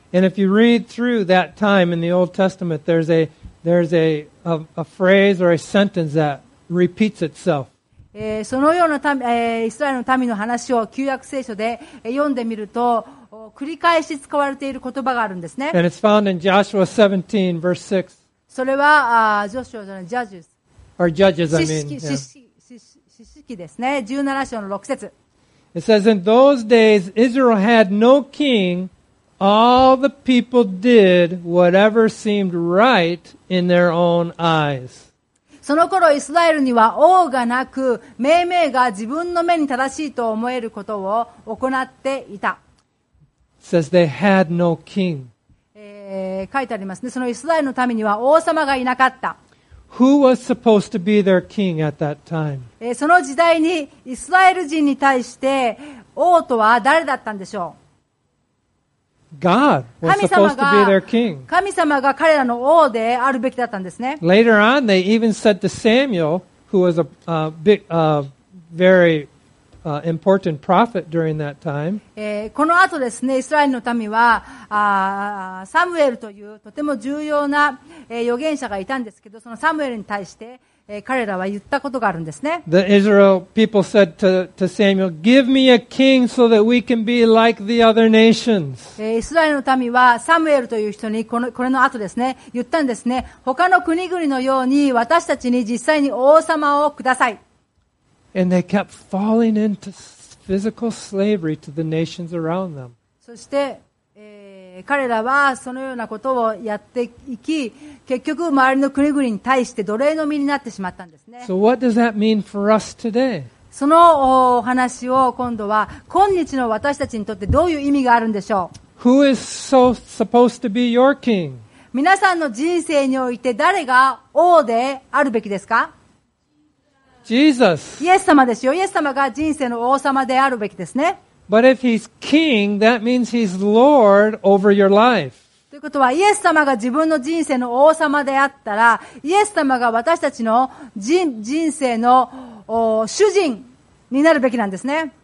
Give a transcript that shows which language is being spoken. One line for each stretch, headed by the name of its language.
English: And if you read through that time in the Old Testament, there's a phrase or a sentence that repeats itself.
Japanese: そのような民、イスラエルの民の話を旧約聖書で読んでみると、繰り返し使われている言葉があるんですね。
English: And it's found in Joshua 17, verse 6.
Japanese: それは、ジョシュアじゃない、Judges。
English: Or Judges, I mean.
Japanese: 詩詩記ですね。17章の6節。
English: It says, in those days Israel had no king. All the people did whatever seemed right in their own eyes.
Japanese: その頃イスラエルには王がなく、めいめいが自分の目に正しいと思えることを行っていた。
English: It says they had no king.
Japanese: 書いてありますね。そのイスラエルの民には王様がいなかった。
English: Who was supposed to be their king at that time?
Japanese: その時代にイスラエル人に対して王とは誰だったんでしょう?
English: God was supposed to be their king.
Japanese: 神様が彼らの王であるべきだったんですね。
English: Later on, they even said to Samuel, who was a very important prophet during that time.
Japanese: この後ですね、イスラエルの民はサムエルというとても重要な預言者がいたんですけど、そのサムエルに対して彼らは言ったことがあるんですね。
English: The Israel people said to Samuel, "Give me a king so that we can be like the other nations."
Japanese: イスラエルの民はサムエルという人にこれの後ですね、言ったんですね。他の国々のように私たちに実際に王様をください。
English: And they kept falling into physical slavery to the nations around them.
Japanese: そして、彼らはそのようなことをやっていき、結局周りの国々に対して奴隷の身になってしまったんですね。
English: So what does that mean for us today?
Japanese: そのお話を今度は今日の私たちにとってどういう意味があるんでしょう。
English: Who is so supposed to be your king?
Japanese: 皆さんの人生において誰が王であるべきですか？
English: Jesus.
Japanese: イエス様ですよ。イエス様が人生の王様であるべきですね。
English: But if he's king, that means he's lord over your life.
Japanese: ということは、イエス様が自分の人生の王様であったら、イエス様が私たちの人生の主人になるべきなんですね。